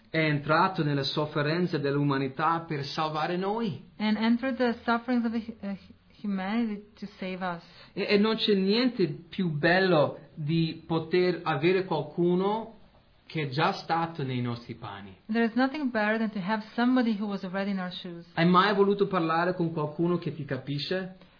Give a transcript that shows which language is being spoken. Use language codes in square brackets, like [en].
[it] È entrato nelle sofferenze dell'umanità per salvare noi. [en] And entered the sufferings of humanity to save us. [it] E non c'è niente più bello di poter avere qualcuno che è già stato nei nostri panni. [en] There is nothing better than to have somebody who was already in our shoes. [it] Hai mai voluto parlare con qualcuno che ti capisce?